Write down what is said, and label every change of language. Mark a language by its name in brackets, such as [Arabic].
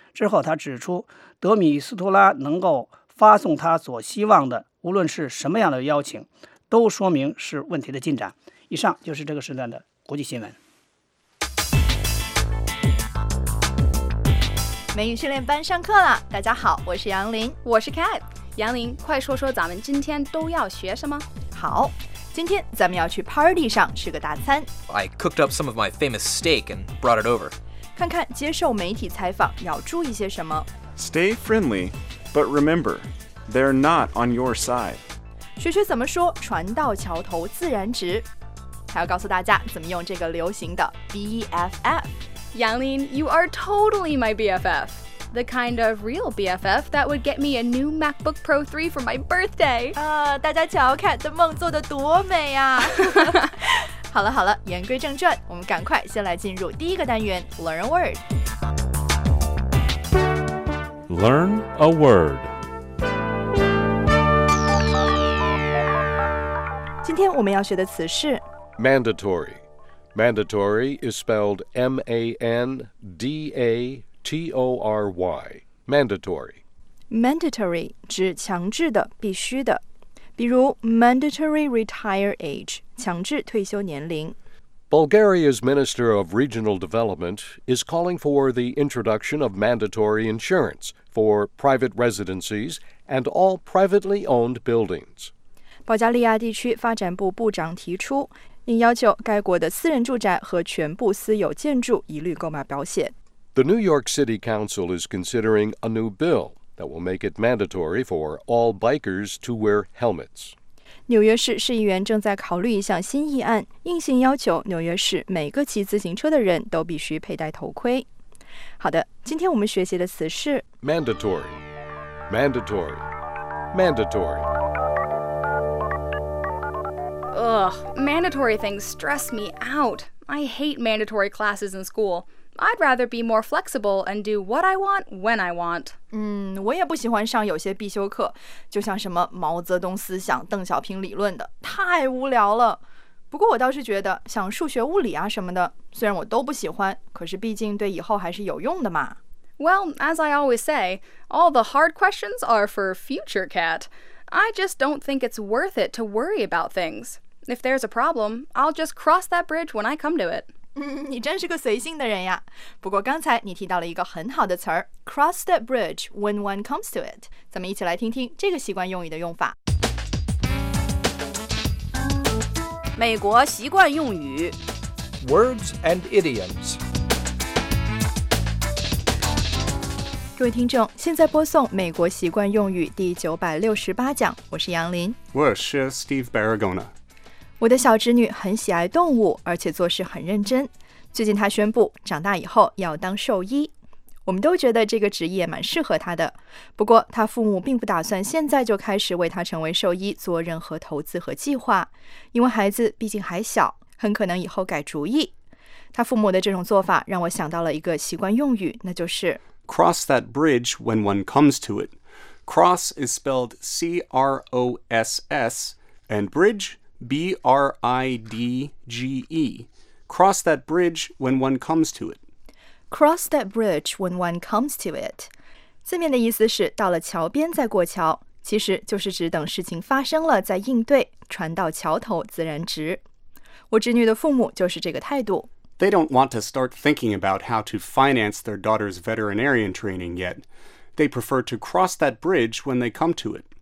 [Chinese] 之后他指出，德米斯托拉能够发送他所希望的无论是什么样的邀请，都说明是问题的进展。以上就是这个时段的国际新闻。美语训练班上课了，大家好，我是杨林，我是 Cat。杨林，快说说咱们今天都要学什么？好，今天咱们要去 party 上吃个大餐。 [English] I cooked up some of my famous steak and brought it over. [Chinese] 看看接受媒体采访要注意些什么。 [English] Stay friendly, but remember, they're not on your side. [Chinese] 学学怎么说“船到桥头自然直”，还要告诉大家怎么用这个流行的 BFF。 [English] Yanglin, you are totally my BFF. The kind of real BFF that would get me a new MacBook Pro 3 for my birthday. [Chinese] 大家瞧 Cat 的梦做得多美啊。好了好了，言归正传，我们赶快先来进入第一个单元 [English] Learn a Word. Learn a Word. [Chinese] 今天我们要学的词是 [English] Mandatory. Mandatory is spelled M-A-N-D-A-T-O-R-Y. Mandatory. [Chinese] Mandatory 指强制的、必须的。比如 [English] Mandatory retire age, [Chinese] 强制退休年龄。 [English] Bulgaria's Minister of Regional Development is calling for the introduction of mandatory insurance for private residences and all privately owned buildings. [Chinese] 保加利亚地区发展部部长提出并要求该国的私人住宅和全部私有建筑一律购买保险。 [English] The New York City Council is considering a new bill that will make it mandatory for all bikers to wear helmets. [Chinese] 纽约市市议员正在考虑一项新议案，硬性要求纽约市每个骑自行车的人都必须佩戴头盔。好的，今天我们学习的词是 [English] mandatory, mandatory, mandatory. Ugh, mandatory things stress me out. I hate mandatory classes in school. I'd rather be more flexible and do what I want when I want. [Chinese] 我也不喜欢上有些必修课，就像什么毛泽东思想、邓小平理论的，太无聊了。不过我倒是觉得，像数学、物理啊什么的，虽然我都不喜欢，可是毕竟对以后还是有用的嘛。 [English] Well, as I always say, all the hard questions are for future Cat. I just don't think it's worth it to worry about things. If there's a problem, I'll just cross that bridge when I come to it. [Chinese] 你真是个随性的人呀。不过刚才你提到了一个很好的词儿 [English] cross that bridge when one comes to it. [Chinese] 咱们一起来听听这个习惯用语的用法。美国习惯用语 [English] Words and idioms. [Chinese] 各位听众，现在播送美国习惯用语第968讲，我是杨林。我是 Steve Barragona。我的小侄女很喜爱动物，而且做事很认真。最近她宣布长大以后要当兽医。我们都觉得这个职业蛮适合她的。不过她父母并不打算现在就开始为她成为兽医做任何投资和计划，因为孩子毕竟还小，很可能以后改主意。她父母的这种做法让我想到了一个习惯用语，那就是 [English] Cross that bridge when one comes to it. Cross is spelled C-R-O-S-S and bridge B-R-I-D-G-E. Cross that bridge when one comes to it. Cross that bridge when one comes to it. [Chinese] 字面的意思是到了桥边再过桥，其实就是指等事情发生了再应对，船到桥头自然直。我侄女的父母就是这个态度。 [English] They don't want to start thinking about how to finance their daughter's veterinarian training yet. They prefer to cross that bridge when they come to it.